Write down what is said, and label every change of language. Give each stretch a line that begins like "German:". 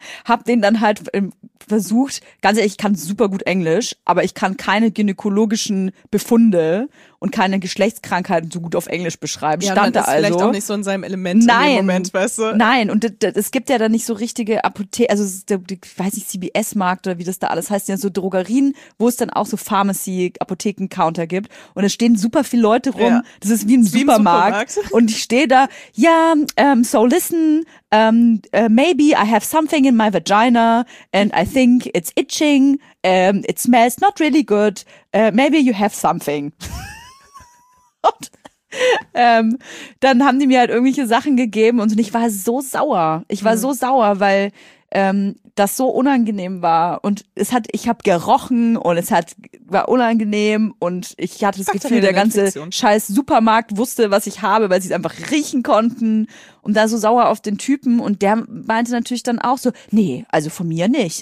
German: Hab den dann halt versucht. Ganz ehrlich, ich kann super gut Englisch, aber ich kann keine gynäkologischen Befunde und keine Geschlechtskrankheiten so gut auf Englisch beschreiben. Ja, stand da ist also vielleicht auch nicht so in seinem Element. Nein, in dem Moment, weißt du? Nein, und es gibt ja da nicht so richtige Apotheken, also weiß nicht, CBS-Markt oder wie das da alles heißt, ja so Drogerien, wo es dann auch so Pharmacy-Apotheken-Counter gibt und da stehen super viele Leute rum, ja. Das ist wie ein Supermarkt. Und ich stehe da, ja, so
English: listen, maybe I have something in my vagina and I think it's itching, it smells not really good, maybe you have something.
German: dann haben die mir halt irgendwelche Sachen gegeben und ich war so sauer. Ich war so sauer, weil das so unangenehm war und ich habe gerochen und war unangenehm und ich hatte das Gefühl, der ganze scheiß Supermarkt wusste, was ich habe, weil sie es einfach riechen konnten und da so sauer auf den Typen und der meinte natürlich dann auch so, nee, also von mir nicht.